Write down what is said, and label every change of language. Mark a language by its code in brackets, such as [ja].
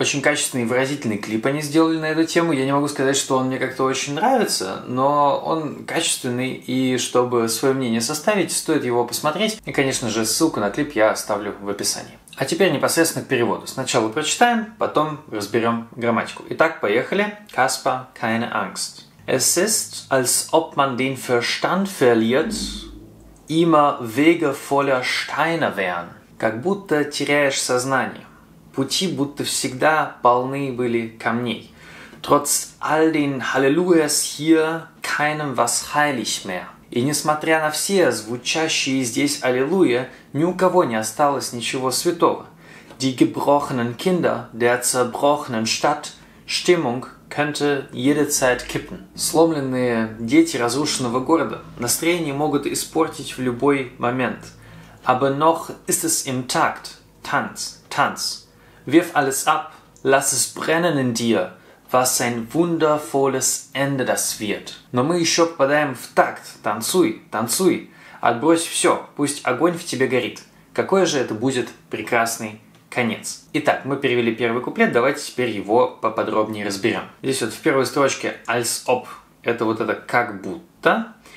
[ru] Очень качественный и выразительный клип они сделали на эту тему. Я не могу сказать, что он мне как-то очень нравится, но он качественный, и чтобы свое мнение составить, стоит его посмотреть. И, конечно же, ссылку на клип я оставлю в описании. А теперь непосредственно к переводу. Сначала прочитаем, потом разберем грамматику. Итак, поехали. [de] Каспа, keine Angst. Es ist, als ob man den Verstand verliert, immer Wege voller Steine wären. [ru] Как будто теряешь сознание. Пути будто всегда полны были камней. [de] Trotz all den Halleluja's hier, keinem was heilig mehr. [ru] И несмотря на все звучащие здесь аллилуйя, ни у кого не осталось ничего святого. [de] Die gebrochenen Kinder der zerbrochenen Stadt, Stimmung könnte jederzeit kippen. [ru] Сломленные дети разрушенного города, настроение могут испортить в любой момент. [de] Aber noch ist es im Takt, Tanz, Tanz. Wirf alles ab, lass es brennen in dir. Was ein wundervolles Ende das wird. [ru] Но мы еще попадаем в такт. Танцуй, танцуй. Отбрось все, пусть огонь в тебе горит. Какой же это будет прекрасный конец. Итак, мы перевели первый куплет, давайте теперь его поподробнее разберем. Здесь вот в первой строчке «als ob» — это вот это «как будто».